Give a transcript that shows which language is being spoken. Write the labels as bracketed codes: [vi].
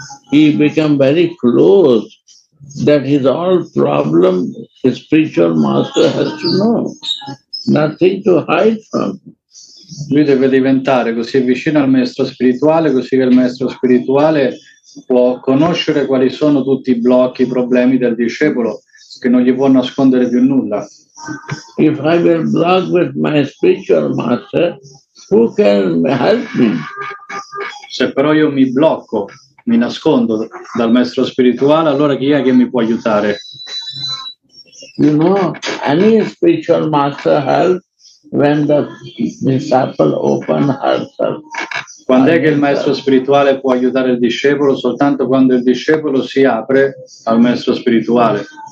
[en] he became very close, that his all problem his spiritual master has to know, nothing to hide from. [it] Lui deve diventare così vicino al maestro spirituale, così che il maestro spirituale può conoscere quali sono tutti i blocchi, i problemi del discepolo, che non gli può nascondere più nulla. [en] If I will block with my spiritual master, who can help me? [it] Se però io mi blocco, mi nascondo dal maestro spirituale, allora chi è che mi può aiutare? [en] You know, any spiritual master helps when the disciple open herself. [it] Quando è che il maestro spirituale può aiutare il discepolo? Soltanto quando il discepolo si apre al maestro spirituale.